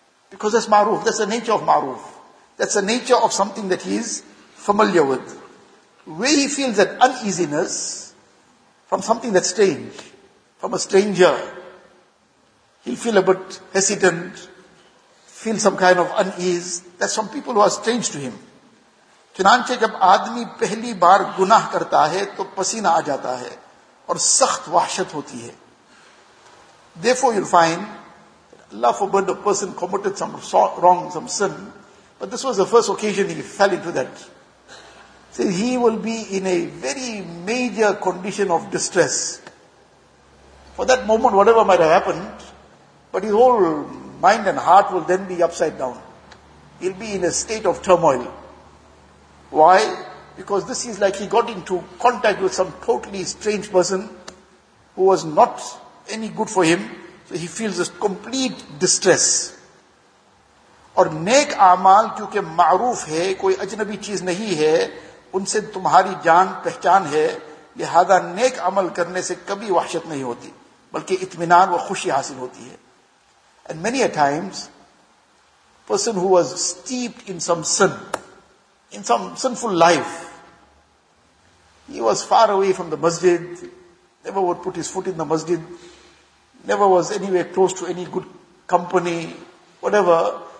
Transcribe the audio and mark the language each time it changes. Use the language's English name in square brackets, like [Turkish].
[English] Because that's ma'ruf, that's the nature of ma'ruf. That's the nature of something that he's familiar with. Where he feels that uneasiness from something that's strange, from a stranger, he'll feel a bit hesitant, feel some kind of unease. That's from people who are strange to him. [Urdu] چنانچہ جب آدمی پہلی بار گناہ کرتا ہے تو پسینہ آ جاتا ہے اور سخت وحشت ہوتی ہے. [English] Therefore you'll find Allah forbid a person committed some wrong, some sin, but this was the first occasion he fell into that. So he will be in a very major condition of distress. For that moment, whatever might have happened, but his whole mind and heart will then be upside down. He'll be in a state of turmoil. Why? Because this is like he got into contact with some totally strange person who was not any good for him. So he feels this complete distress. [Urdu] اور نیک اعمال کیونکہ معروف ہے, کوئی اجنبی چیز نہیں ہے, ان سے تمہاری جان پہچان ہے, لہذا نیک عمل کرنے سے کبھی وحشت نہیں ہوتی بلکہ اطمینان و خوشی حاصل ہوتی ہے. [English] And many a times, person who was steeped in some sin, in some sinful life, he was far away from the masjid, never would put his foot in the masjid, never was anywhere close to any good company, whatever.